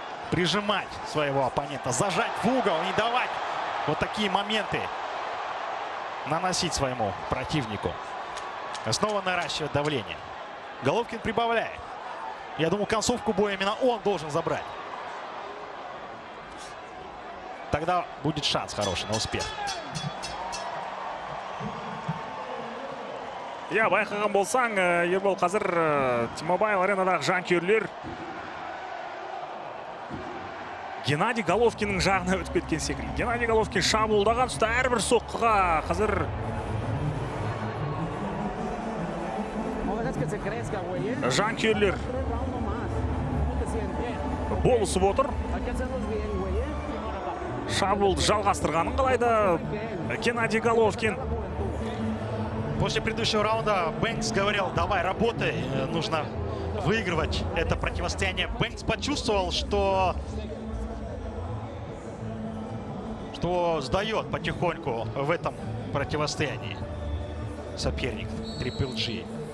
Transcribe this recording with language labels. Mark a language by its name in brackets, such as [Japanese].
[Russian] Прижимать своего оппонента, зажать в угол, не давать вот такие моменты наносить своему противнику. Снова наращивать давление. Головкин прибавляет. Я думаю, концовку боя именно он должен забрать. Тогда будет шанс хороший на успех. [Kazakh] Иә, байқаған болсаң, Ербол қазір Тимобайл аренадағы жанкүйерлер Геннадий Головкиннің жағына өтіп кеткен секілді. Геннадий Головкин шабуылдаған тұста әрбір соққыға қазір жанкүйерлер болысып отыр. Шабуылды жалғастырғанын қалайды Геннадий Головкин. [Russian] После предыдущего раунда Бэнкс говорил: давай, работай, нужно выигрывать это противостояние. Бэнкс почувствовал, что сдает потихоньку в этом противостоянии соперник Triple G.